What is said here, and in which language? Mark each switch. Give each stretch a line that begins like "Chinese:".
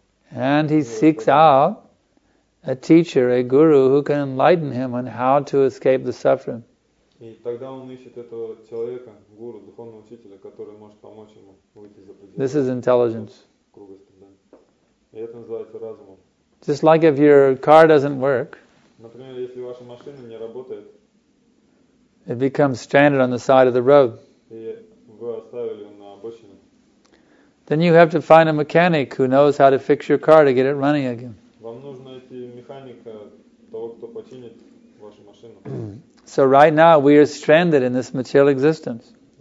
English: And he seeks out a teacher, a guru, who can enlighten him on how to escape the suffering.
Russian: И тогда он ищет этого человека, гуру, духовного учителя, который может помочь ему выйти за пределы.
English: This is intelligence.
Russian: И это называется разумом.
English: Just like if your car doesn't work.
Russian: Например, если ваша машина не работает.
English: It becomes stranded on the side of the road.
Russian: И вы оставили на обочине.
English: Then you have to find a mechanic who knows how to fix your car to get it running again.
Russian: Вам нужно найти механика того, кто починит вашу машину.
English: So right now we are stranded in this material existence.